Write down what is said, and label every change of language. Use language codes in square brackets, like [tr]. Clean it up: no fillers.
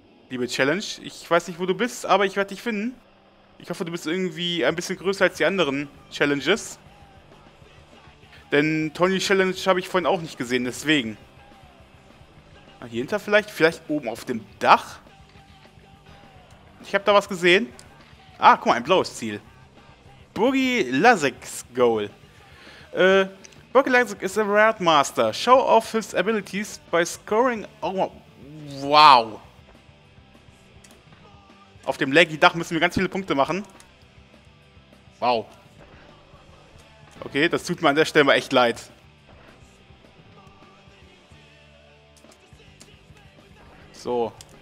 [de] Liebe Challenge, ich weiß nicht, wo du bist, aber ich werde dich finden. Ich hoffe, du bist irgendwie ein bisschen größer als die anderen Challenges. Denn Tony Challenge habe ich vorhin auch nicht gesehen, deswegen... Hier hinter vielleicht? Vielleicht oben auf dem Dach? Ich habe da was gesehen. Ah, guck mal, ein blaues Ziel. [en] Boogie Lasek's Goal. Boogie Lasek is a Red Master. Show off his abilities by scoring... Oh, wow. [de] Auf dem laggy Dach müssen wir ganz viele Punkte machen. Wow. Okay, das tut mir an der Stelle mal echt leid. So.